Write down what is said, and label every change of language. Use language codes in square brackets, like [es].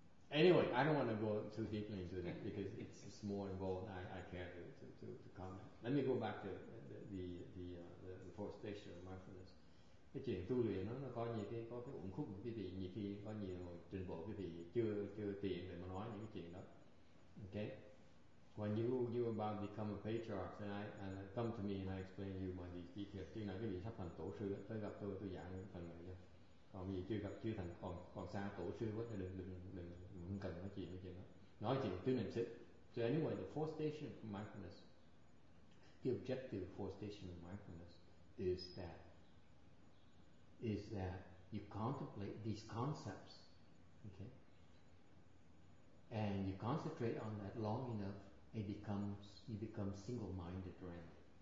[en] Anyway, I don't want to go too deeply into that because it's more involved. I can't to comment. Let me go back to the fourth station of mindfulness. [vi] Cái chuyện tu luyện nó có nhiều cái có cái uẩn khúc của quý vị, nhiều khi có nhiều trình độ quý vị chưa tiện để mà nói những cái chuyện đó. [en] Okay. When you about to become a patriarch, then I come to me and I explain to you my details. [vi] Khi nào quý vị sắp thành tổ sư tới gặp tôi giảng phần này cho. Còn gì chưa thành còn xa tổ sư quá, thì đừng không cần nói chuyện với chuyện đó. Nói chuyện tứ niệm xứ. [en] So anyway, the fourth station of mindfulness, the objective fourth station of mindfulness is that you contemplate these concepts, okay, and you concentrate on that long enough, you become single-minded around.